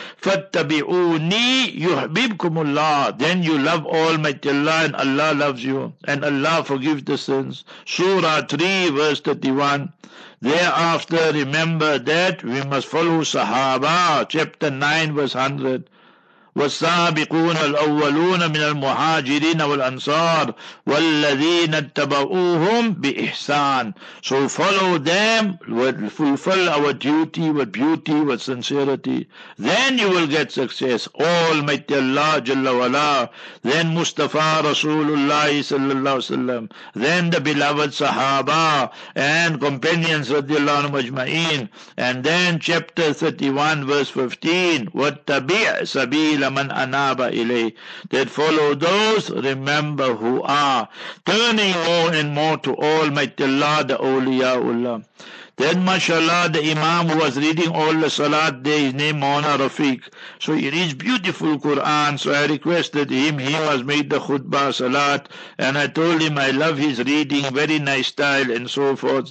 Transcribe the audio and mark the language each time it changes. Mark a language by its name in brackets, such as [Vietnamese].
[Arabic] Fattabi'uni yuhbibkumullah. [English] Then you love Almighty Allah and Allah loves you. And Allah forgives the sins. Surah 3, verse 31. Thereafter, remember that we must follow Sahaba, chapter 9, verse 100. [Arabic] والسابقون الأولون من المهاجرين والأنصار والذين اتبعوهم بإحسان. [English] So follow them, we'll fulfill our duty with beauty, with sincerity. Then you will get success. Almighty Allah Jalla Wala. Then Mustafa Rasulullah Sallallahu Alaihi Wasallam. Then the beloved Sahaba and companions radiallahu anhum ajma'in. And then chapter 31 verse 15. [Arabic] واتبيع سبيل من أناب إليه. [English] That follow those, remember who are turning more and more to Almighty Allah, the Awliyaullah. Then mashallah, the Imam who was reading all the Salat day, his name Mawlana Rafiq. So he reads beautiful Quran. So I requested him, he was made the khutbah Salat, and I told him I love his reading, very nice style and so forth.